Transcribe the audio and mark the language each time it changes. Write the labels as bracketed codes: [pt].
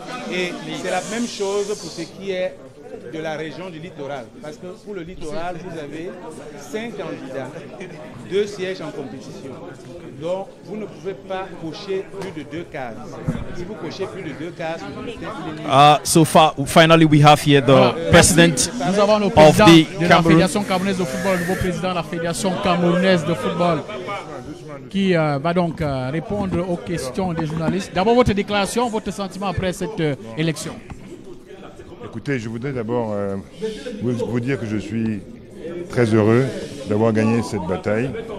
[fr] Et c'est la même chose pour ce qui est de la région du Littoral. Parce que pour le Littoral, vous avez cinq candidats, deux sièges en compétition. Donc, vous ne pouvez pas cocher plus de deux cases. Si vous cochez plus de deux cases, vous êtes éliminé. [en] So far, finally, we have here the president [fr] nous avons le président de la Fédération Camerounaise de football, le nouveau président de la Fédération Camerounaise de football. qui va donc répondre aux questions des journalistes. D'abord, votre déclaration, votre sentiment après cette élection. Écoutez, je voudrais d'abord vous dire que je suis très heureux d'avoir gagné cette bataille.